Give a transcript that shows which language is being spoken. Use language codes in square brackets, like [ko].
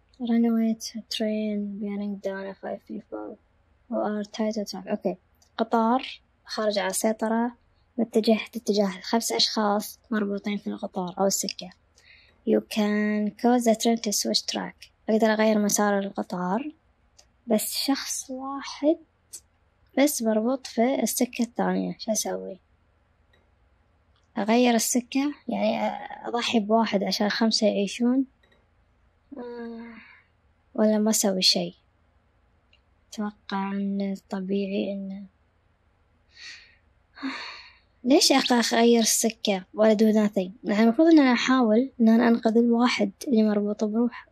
[en] Run away to train bearing down a 5 people who are tied to track. Okay. [ar] قطار خارج على السيطرة متجه اتجاه 5 أشخاص مربوطين في القطار أو السكة. [en] You can cause the train to switch track. [ar] أقدر أغير مسار القطار بس شخص واحد بس مربوط في السكة الثانية. شو أسوي؟ أغير السكة يعني أضحي بواحد عشان 5 يعيشون ولا ما أسوي شيء؟ أتوقع أن طبيعي أن ليش أغير السكة ولا دو ناثينج؟ يعني المفروض أن أنا أحاول أن أنا أنقذ الواحد اللي مربوط بروح.